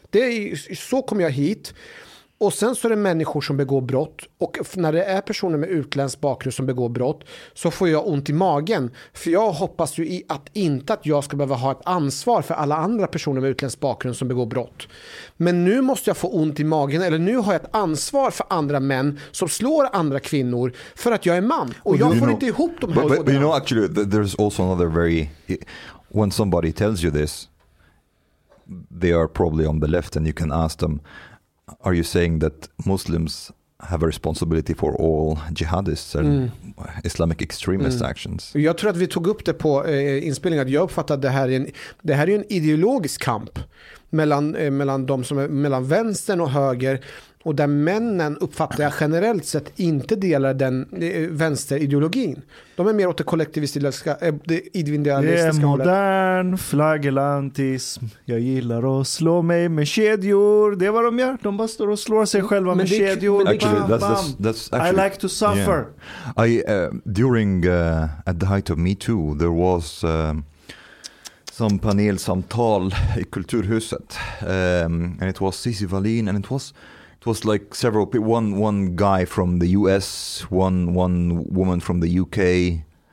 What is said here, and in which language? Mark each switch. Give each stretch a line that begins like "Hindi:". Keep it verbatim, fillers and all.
Swedish: Det är, så kom jag hit. Och sen så är det människor som begår brott och när det är personer med utländsk bakgrund som begår brott så får jag ont i magen. För jag hoppas ju i att inte att jag ska behöva ha ett ansvar för alla andra personer med utländsk bakgrund som begår brott. Men nu måste jag få ont i magen eller nu har jag ett ansvar för andra män som slår andra kvinnor för att jag är man. Och jag får inte ihop dem.
English: But, but you know actually there's also another very... When somebody tells you this they are probably on the left and you can ask them are you saying that Muslims have a responsibility for all jihadists and mm. Islamic extremist mm. actions?
Swedish: Jag tror att vi tog upp det på eh, inspelningen. Jag uppfattar att det här är en, det här är en ideologisk kamp mellan, eh, mellan, de som är, mellan vänstern och höger och där männen uppfattar jag generellt sett inte delar den eh, vänsterideologin. De är mer åt det kollektivistiska eh, det individualistiska. Det är modern flagellantism. Jag gillar att slå mig med kedjor. Det är vad de gör. De bara står och slår sig själva med kedjor.
English: Actually, that's, that's, that's actually, I like to suffer. Yeah. I, uh, during uh, at the height of Me Too there was uh, some
Swedish: panelsamtal i Kulturhuset.
English: Um, and it was Cissi Wallin and it was It was like several people, one, one guy from the U S, one one woman from the U K.